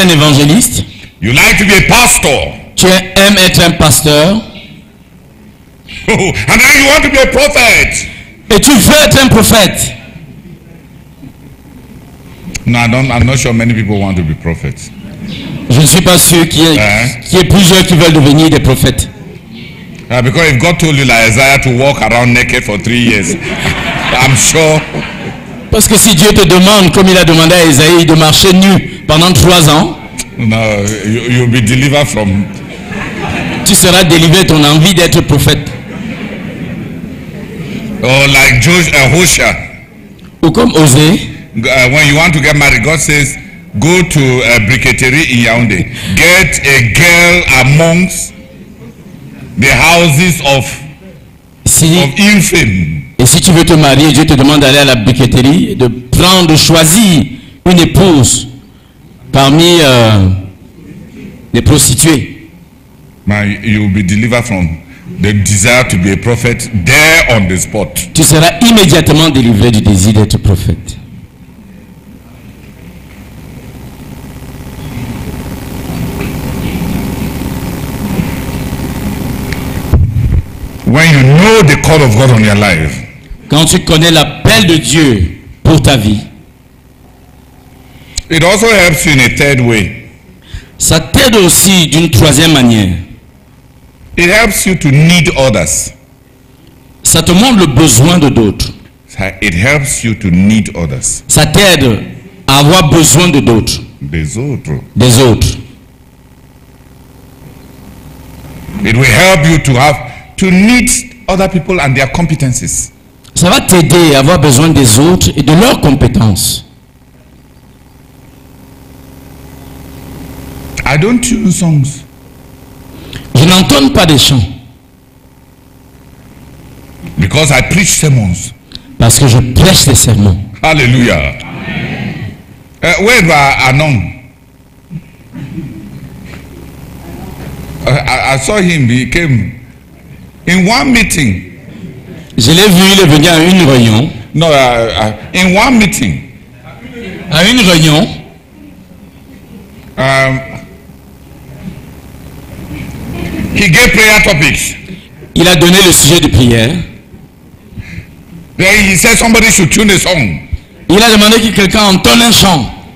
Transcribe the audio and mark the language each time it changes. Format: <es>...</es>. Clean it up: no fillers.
<fr>un évangéliste.</fr> <en>You like to be a pastor.</en> <fr>Tu aimes être un pasteur.</fr> <en>Oh, and then you want to be a prophet.</en> <fr>Et tu veux être un prophète.</fr> <en>No, I'm not sure many people want to be prophets.</en> <fr>Je ne suis pas sûr qu'il y ait plusieurs qui veulent devenir des prophètes.</fr> <en>Because if God told you like Isaiah to walk around naked for 3 years, I'm sure.</en> <fr>Parce que si Dieu te demande, comme il a demandé à Isaïe, de marcher nu pendant 3 ans.</fr> <en>No, you'll be delivered from.</en> <fr>Tu seras délivré ton envie d'être prophète.</fr> <en>Or like Joshua, Hosea.</en> <fr>Ou comme Osée.</fr> <en>When you want to get married, God says, go to a briqueterie in Yaoundé. Get a girl amongst the houses of,</en> <fr>si,</fr> <en>of infamy.</en> <fr>Et si tu veux te marier, Dieu te demande d'aller à la briqueterie, de prendre, de choisir une épouse parmi les prostituées.</fr> <en>Man, you will be delivered from the desire to be a prophet there on the spot.</en> <fr>Tu seras immédiatement délivré du désir d'être prophète.</fr> <en>When you know the call of God on your life.</en> <fr>Quand tu connais l'appel de Dieu pour ta vie.</fr> <en>It also helps you in a third way.</en> <fr>Ça t'aide aussi d'une troisième manière.</fr> <en>It helps you to need others.</en> <fr>Ça te montre le besoin de d'autres.</fr> <en>It helps you to need others.</en> <fr>Ça t'aide à avoir besoin de d'autres. Des autres. Des autres.</fr> <en>It will help you to need other people and their competences.</en> <fr>Ça va t'aider à avoir besoin des autres et de leurs compétences.</fr> <en>I don't tune songs.</en> <fr>Je n'entends donne pas des chants.</fr> <en>Because I preach sermons.</en> <fr>Parce que je prêche des sermons.</fr> <en>Alléluia. Where are Anon? I saw him, he came in one meeting.</en> <fr>Je l'ai vu, il est venu à une réunion.</fr> <en>No, in one meeting.</en> <fr>À une réunion.</fr> <en>He gave prayer topics.</en> <fr>Il a donné le sujet de prière.</fr> <en>Then he said somebody should tune a song.</en> <fr>Il a demandé que quelqu'un entonne un chant.</fr>